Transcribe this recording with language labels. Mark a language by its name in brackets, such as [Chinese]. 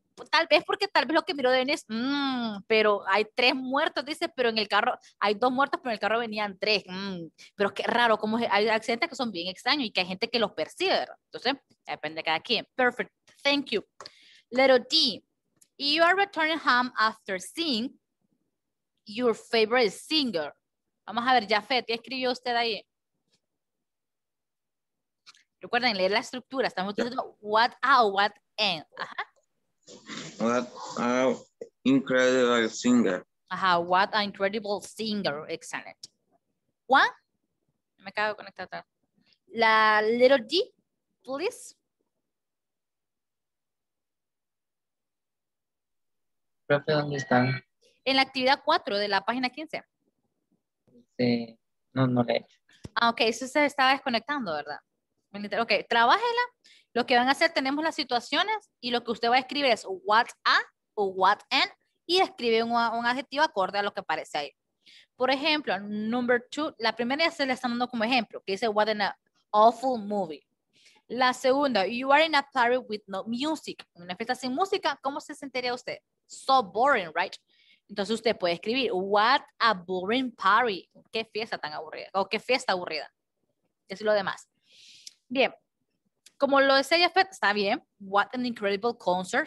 [Spanish] Tal vez porque tal vez lo que miró Denis, pero hay tres muertos, dice, pero en el carro, hay dos muertos, pero en el carro venían tres. Pero qué raro, como hay accidentes que son bien extraños y que hay gente que los percibe, ¿verdad? Entonces, depende de cada quien. [English] Perfect, thank you. Little D, you are returning home after seeing your favorite singer. [Spanish] Vamos a ver, Jafet, ¿qué escribió usted ahí? Recuerden, leer la estructura, estamos diciendo what out, what in. Ajá. [English] What an incredible singer. Ajá, what an incredible singer. Excellent. Juan, [Spanish] me acabo de conectar. [English] La little D, please. [Spanish] Profe, ¿dónde están? En la actividad 4 de la página 15. Sí, no la he hecho. Ah, ok, eso se estaba desconectando, ¿verdad? Ok, trabájela. Lo que van a hacer, tenemos las situaciones y lo que usted va a escribir es what a o what an y escribe un adjetivo acorde a lo que aparece ahí. Por ejemplo, number two, la primera ya se le está dando como ejemplo, que dice what an awful movie. [English] La segunda, you are in a party with no music. [Spanish] En una fiesta sin música, ¿cómo se sentiría usted? [English] So boring, right? [Spanish] Entonces usted puede escribir [English] what a boring party. [Spanish] ¿Qué fiesta tan aburrida? ¿O qué fiesta aburrida? Es lo demás. Bien, como lo decía Jafet, está bien, [English] what an incredible concert.